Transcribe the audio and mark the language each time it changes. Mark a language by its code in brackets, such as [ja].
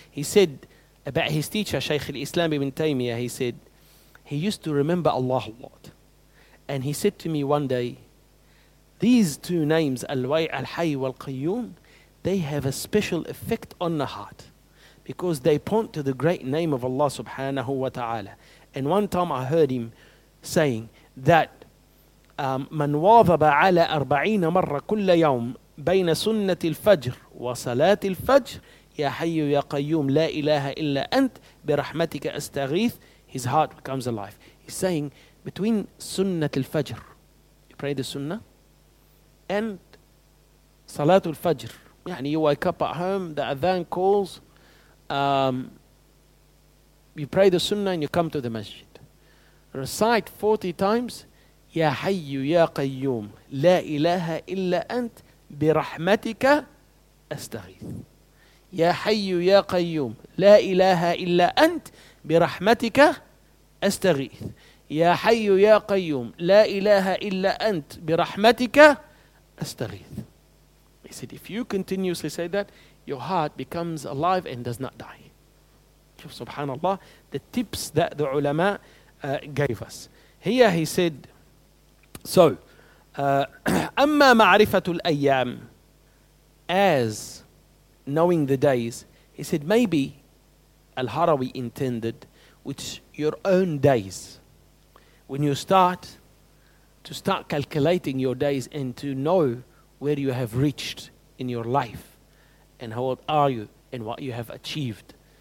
[en] He said about his teacher, Shaykh al-Islam ibn Taymiyyah, he said, he used to remember Allah a lot. And he said to me one day, these two names, al-hay wal-qayyum, they have a special effect on the heart because they point to the great name of Allah subhanahu wa ta'ala. And one time I heard him saying that [ar] مَنْ وَاظَبَ عَلَىٰ أَرْبَعِينَ مَرَّ كُلَّ يَوْمٍ بَيْنَ سُنَّةِ الْفَجْرِ وَصَلَاةِ الْفَجْرِ يا حي يا قيوم لا إله إلا أنت برحمتك أستغيث. [en] His heart becomes alive. He's saying between [ar] سنة الفجر, [en] you pray the سنة, and [ar] صلاة الفجر, يعني [en] you wake up at home, the adhan calls, you pray the sunnah and you come to the masjid. Recite 40 times, [ar] يا حي يا قيوم لا إله إلا أنت برحمتك أستغيث. يا حي يا قيوم لا إله إلا أنت برحمتك أستغيث. يا حي يا قيوم لا إله إلا أنت برحمتك أستغيث. [en] He said, if you continuously say that, your heart becomes alive and does not die. Subhanallah, the tips that the ulama gave us. Here he said, so, [ar] أما معرفة الأيام, [en] as knowing the days, he said, maybe Al-Harawi intended, which your own days, when you start to start calculating your days and to know where you have reached in your life and how old are you and what you have achieved.